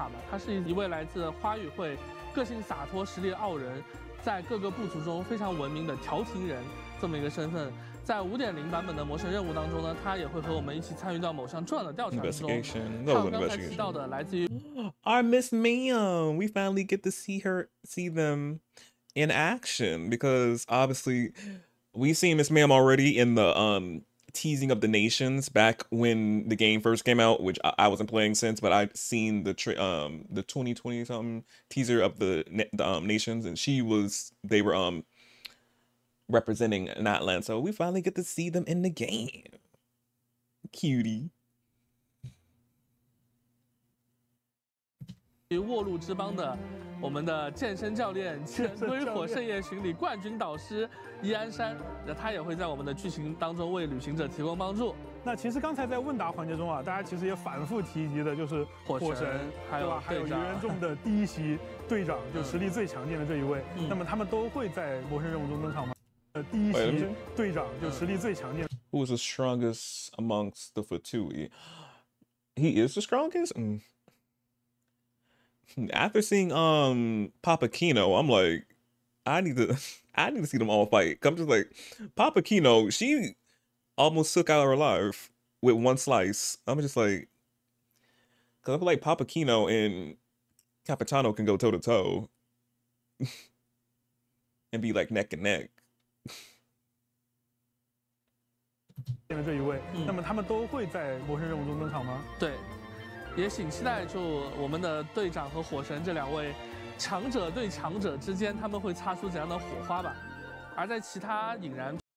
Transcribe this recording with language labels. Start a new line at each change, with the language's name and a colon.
Chinese: 他是一位来自花语会，个性洒脱，实力傲人，在各个部族中非常文明的调停人这么一个身份。在 5.0 版本的魔神任务当中呢，他也会和我们一起参与到某项重要的调查中。
English: Investigation.
Chinese: 还有刚才提到的来自于
English: Our Miss Ma'am, we finally get to see them in action, because obviously we've seen Miss Ma'am already in the teasing of the nations back when the game first came out, which I wasn't playing since, but I've seen the 2020 something teaser of the nations, and they were representing Natland. So we finally get to see them in the game. Cutie.
Chinese: 沃路之邦的我们的健身教练兼微火盛宴巡礼冠军导师伊安山，那他也会在我们的剧情当中为旅行者提供帮助。那其实刚才在问答环节中啊，大家其实也反复提及的就是火神还有对吧，还有元众的第一席队长，就实力最强劲的这一位、那么他们都会在魔神任务中登场吗？第一席队长就实力最强劲的、
English: Who is the strongest amongst the Fatui? He is the strongest?、After seeing Papa Kino, I'm like, I need to see them all fight. I'm just like, Papa Kino, she almost took out her life with one slice. I'm just like, because I feel like Papa Kino and Capitano can go toe to toe and be like neck and neck.
Chinese: 这一位、那么他们都会在魔神任务中登场吗？对，也请期待就我们的队长和火神这两位强者对强者之间他们会擦出怎样的火花吧。而在其他引燃